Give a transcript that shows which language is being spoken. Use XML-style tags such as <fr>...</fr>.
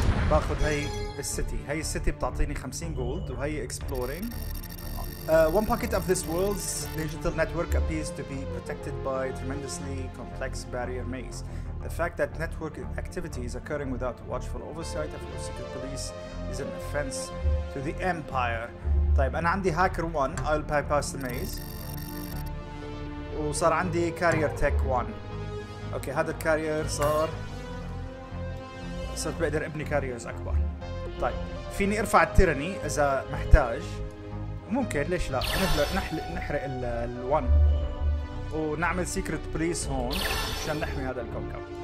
<ar>باخذ هاي السيتي، هاي السيتي بتعطيني 50 جولد وهي اكسبلورينج.</ar> <en>One pocket of this world's digital network appears to be protected by a tremendously complex barrier maze. The fact that network activity is occurring without watchful oversight of your secret police is an offense to the empire.</en> <ar>طيب انا عندي هاكر 1،</ar> <en>I'll bypass the maze.</en> <ar>وصار عندي كارير تك 1. اوكي هذا الكارير صار، صرت بقدر ابني كاريرز اكبر. طيب فيني ارفع التيرني اذا محتاج، ممكن ليش لا نحرق ال1 ونعمل سيكريت بليس هون عشان نحمي هذا الكوكب.</ar>